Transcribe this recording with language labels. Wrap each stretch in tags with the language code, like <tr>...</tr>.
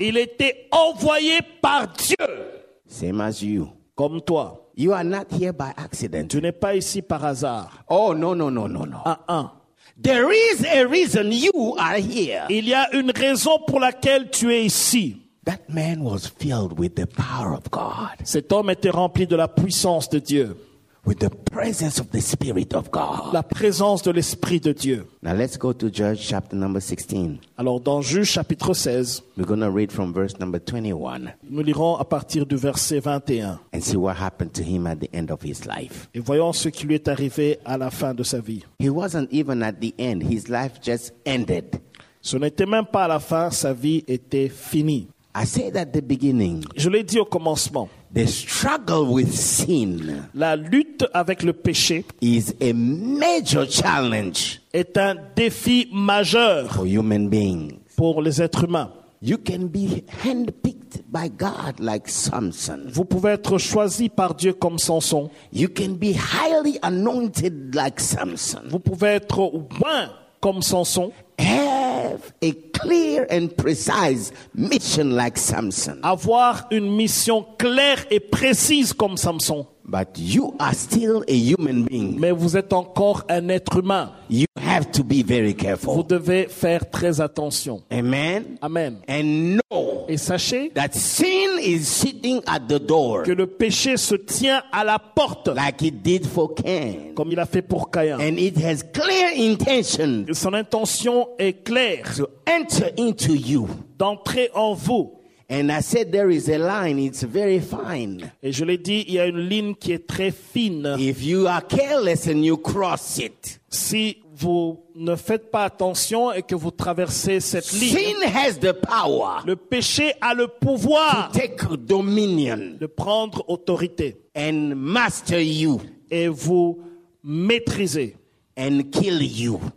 <fr>Il était envoyé par Dieu.</fr> <en>Same as you.</en> <fr>Comme toi.</fr> <en>You are not here by accident.</en> <fr>Tu n'es pas ici par hasard.</fr> <en>Oh no no no no no.</en> <fr>Ah.</fr> <en>There is a reason you are here.</en> <fr>Il y a une raison pour laquelle tu es ici.</fr> <en>That man was filled with the power of God.</en> <fr>Cet homme était rempli de la puissance de Dieu.</fr> <en>With the presence of the Spirit of God.</en> <fr>La présence de l'Esprit de Dieu.</fr> <en>Now let's go to Judges chapter number 16.</en> <fr>Alors dans Juges chapitre 16.</fr> <en>We're going to read from verse number 21.</en> <fr>Nous lirons à partir du verset 21.</fr> <en>And see what happened to him at the end of his life.</en> <fr>Et voyons ce qui lui est arrivé à la fin de sa vie.</fr> <en>He wasn't even at the end. His life just ended.</en> <fr>Ce n'était même pas à la fin. Sa vie était finie.</fr> <en>I said at the beginning.</en> <fr>Je l'ai dit au commencement.</fr> <en>The struggle with sin.</en> <fr>La lutte avec le péché</fr> <en>is a major challenge.</en> <fr>Est un défi majeur</fr> <en>for human beings.</en> <fr>Pour les êtres humains.</fr> <en>You can be handpicked by God like Samson.</en> <fr>Vous pouvez être choisi par Dieu comme Samson.</fr> <en>You can be highly anointed like Samson.</en> <fr>Vous pouvez être oint comme Samson.</fr> <en>Have a clear and precise mission like Samson.</en> <fr>Avoir une mission claire et précise comme Samson.</fr> <en>But you are still a human being.</en> <fr>Mais vous êtes encore un être humain.</fr> <en>You have to be very careful.</en> <fr>Vous devez faire très attention.</fr> <en>Amen.</en> <fr>Amen.</fr> <en>And know</en> <fr>et sachez</fr> <en>that sin is sitting at the door.</en> <fr>Que le péché se tient à la porte.</fr> <en>Like it did for Cain.</en> <fr>Comme il a fait pour Caïn.</fr> <en>And it has clear intention.</en> <fr>Et son intention est claire.</fr> <en>To enter into you.</en> <fr>D'entrer en vous.</fr> <en>And I said there is a line, it's very fine.</en> <fr>Et je l'ai dit, il y a une ligne qui est très fine.</fr> <en>If you are careless and you cross it.</en> <fr>Si vous ne faites pas attention et que vous traversez cette ligne.</fr> <en>Sin has the power.</en> <fr>Le péché a le pouvoir.</fr> <en>To take dominion.</en> <fr>De prendre autorité.</fr> <en>And master you.</en> <fr>Et vous maîtriser.</fr> <en>And kill you.</en>